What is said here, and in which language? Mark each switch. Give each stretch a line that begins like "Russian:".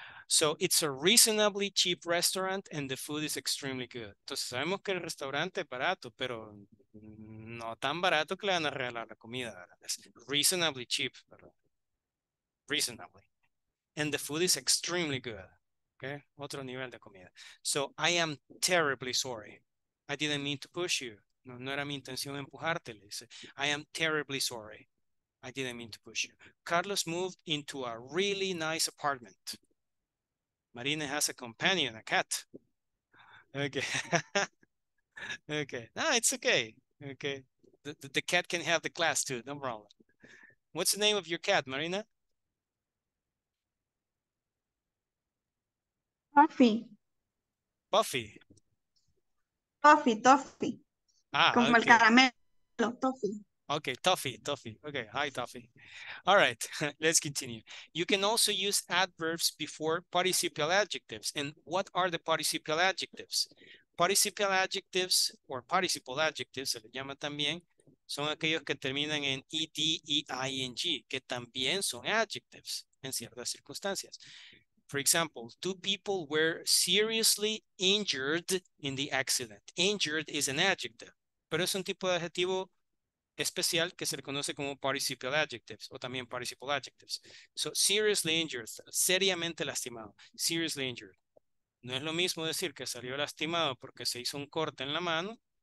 English: So it's a reasonably cheap restaurant and the food is extremely good.
Spanish: Entonces sabemos que el restaurante es barato, pero no tan barato que le van a regalar la comida.
English: It's reasonably cheap, pero reasonably. And the food is extremely good. Okay?
Spanish: Otro nivel de comida.
English: So I am terribly sorry. I didn't mean to push you.
Spanish: No era mi intención empujarte.
English: I am terribly sorry. I didn't mean to push you. Carlos moved into a really nice apartment. Marina has a companion, a cat. Okay. Okay. No, it's okay. Okay. The cat can have the class too. No problem. What's the name of your cat, Marina? Buffy. Buffy. Toffee, Toffee. Ah,
Spanish: como
English: okay.
Spanish: El caramelo, Toffee.
English: Okay, Toffee, Toffee. Okay, hi, Toffee. All right, let's continue. You can also use adverbs before participial adjectives. And what are the participial adjectives? Participial adjectives, or participle adjectives,
Spanish: se le llama también, son aquellos que terminan en ed, eing, que también son adjectives en ciertas circunstancias.
English: For example, two people were seriously injured in the accident. Injured is an adjective,
Spanish: pero es un tipo de adjetivo especial que se le conoce como participial adjectives o también participle adjectives.
English: So, seriously injured,
Spanish: seriamente lastimado,
English: seriously injured.
Spanish: No es lo mismo decir que salió lastimado porque se hizo un corte en la mano